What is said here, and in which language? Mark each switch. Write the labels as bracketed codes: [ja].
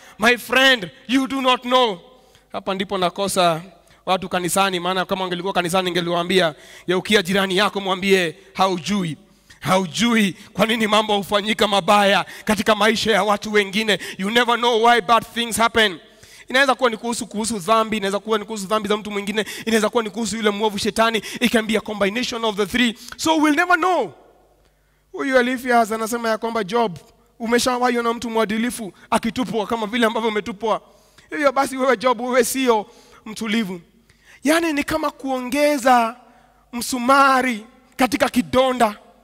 [en] My friend, you do not know. [sw] Hapa ndipo nakosa watu kanisani, maana kama ungelikuwa kanisani ningeliwaambia, yaukia jirani yako mwambie haujui. Haujui kwa nini mambo hufanyika mabaya katika maisha ya watu wengine. [en] You never know why bad things happen. [sw] Inaweza kuwa ni kuhusu dhambi, inaweza kuwa ni kuhusu dhambi za mtu mwingine, inaweza kuwa ni kuhusu yule muovu shetani. [en] It can be a combination of the three. So we'll never know. [sw] Huyu Elifaz anasema ya kwamba Job, umeshawahi na mtu mwadilifu akitupwa kama vile ambavyo umetupwa. Hiyo basi wewe Job, wewe sio mtulivu. Yani ni kama kuongeza msumari katika kidonda.